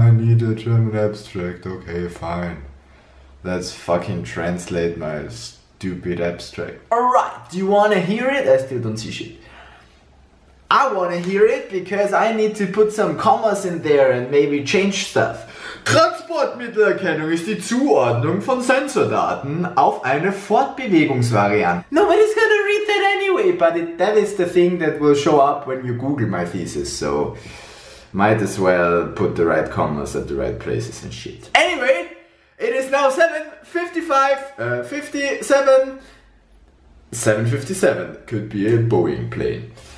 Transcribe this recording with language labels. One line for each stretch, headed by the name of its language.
English: I need a German abstract. Okay, fine. Let's fucking translate my stupid abstract. Alright, do you wanna hear it? I still don't see shit. I wanna hear it because I need to put some commas in there and maybe change stuff.
German: Transportmittelerkennung ist die Zuordnung von Sensordaten auf eine Fortbewegungsvariante.
English: Nobody's gonna read that anyway, but that is the thing that will show up when you Google my thesis, so might as well put the right commas at the right places and shit. Anyway, it is now 757 could be a Boeing plane.